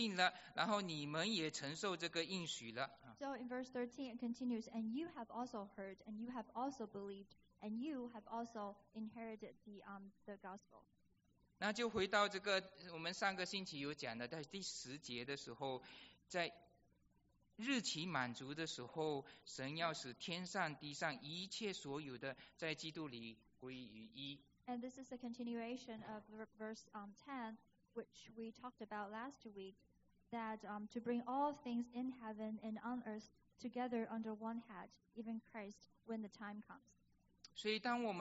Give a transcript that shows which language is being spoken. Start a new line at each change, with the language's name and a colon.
Chinese: 然后在13节的时候，他又说：“你们也听到了，你们也信了，然后你们也承受这个应许了。”
English: So in verse 13 it continues, and you have also heard, and you have also believed, and you have also inherited the gospel.
Chinese: 那就回到这个我们上个星期有讲的，在第10节的时候，在日期满足的时候，神要使天上地上一切所有的，在基督里归于一。
English: And this is a continuation of verse 10, which we talked about last week, that to bring all things in heaven and on earth together under one head, even Christ, when the time comes.